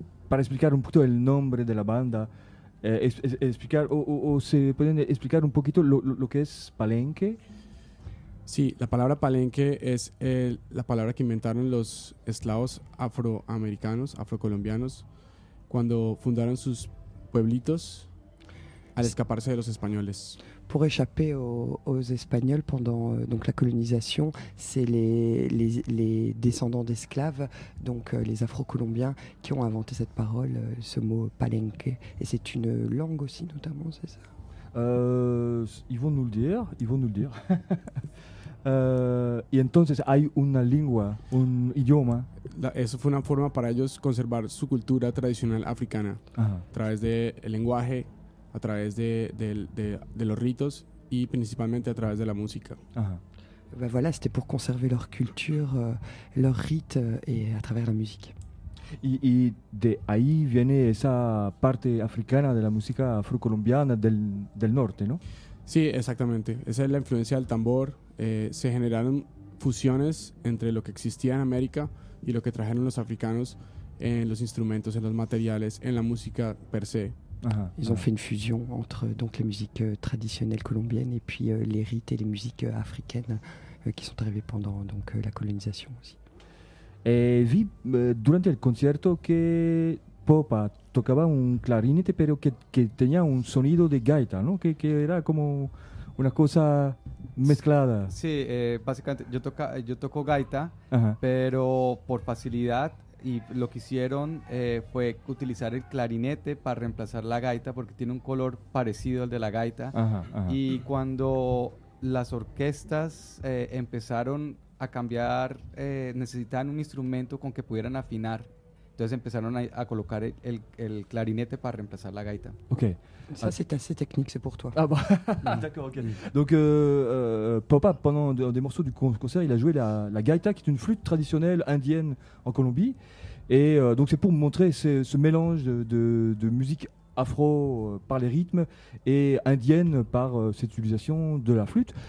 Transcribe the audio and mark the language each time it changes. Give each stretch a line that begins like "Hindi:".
Spanish: Para explicar un poquito el nombre de la banda, se pueden explicar un poquito lo que es palenque. Sí, la palabra palenque es la palabra que inventaron los esclavos afroamericanos, afrocolombianos, cuando fundaron sus pueblitos al escaparse de los españoles.
French: Pour échapper aux Espagnols pendant donc la colonisation, c'est les descendants d'esclaves, donc les Afro-Colombiens, qui ont inventé cette parole, ce mot palenque. Et c'est une langue aussi, notamment, c'est ça Ils vont nous le dire, ils vont nous le dire.
Spanish: Y entonces hay una lengua, un idioma. Eso fue una forma para ellos conservar su cultura tradicional africana, a través del lenguaje, a través de los ritos y principalmente a través de la música. Ajá.
French: Ben voilà, c'était pour conserver leur culture, leurs rites et à travers la musique.
Spanish: Y de ahí viene esa parte africana de la música afrocolombiana del norte, ¿no? Sí, exactamente. Esa es la influencia del tambor. Se generaron fusiones entre lo que existía en América y lo que trajeron los africanos en los instrumentos, en los materiales, en la música per se.
French: Ils ont fait une fusion entre donc la musique traditionnelle colombienne et puis les rites et les musiques africaines qui sont arrivées pendant donc la colonisation aussi.
Spanish: Vi durante el concierto que Popa tocaba un clarinete pero que tenía un sonido de gaita, ¿no? Que era como una cosa mezclada. Sí, básicamente yo toco gaita, pero por facilidad. Y lo que hicieron fue utilizar el clarinete para reemplazar la gaita porque tiene un color parecido al de la gaita. Ajá. Y cuando las orquestas empezaron a cambiar, necesitaban un instrumento con que pudieran afinar. Entonces empezaron a colocar el clarinete para reemplazar la gaita. Ok.
French: Ça, c'est assez technique, c'est pour toi. Ah bon. D'accord, ok. Donc, Popa, pendant des morceaux du concert, il a joué la gaita, qui est une flûte traditionnelle indienne en Colombie. Et donc, c'est pour montrer ce mélange de musique afro par les rythmes et indienne par cette utilisation de la flûte.